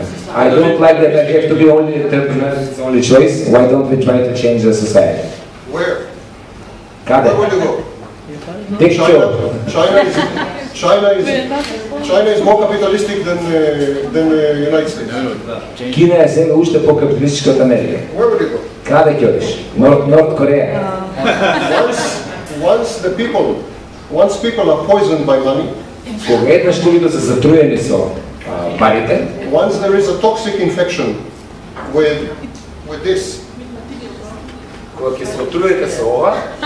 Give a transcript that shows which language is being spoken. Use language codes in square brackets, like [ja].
[en] I don't like that I have to be only entrepreneur, it's only choice. Why don't we try to change the society? Where? [mk] Каде? [en] Where do you go? Take China. China is more capitalistic than United States. [mk] Кина е сега уште по-капиталистичка од Америка. [en] Where would you go? [mk] Каде ќе одиш? Норд Кореја. [en] Once people are poisoned by money. [mk] Кога еднаш луѓето се затруени со парите. [en] Once there is a toxic infection with this. [mk] Кога ќе се отруете со ова.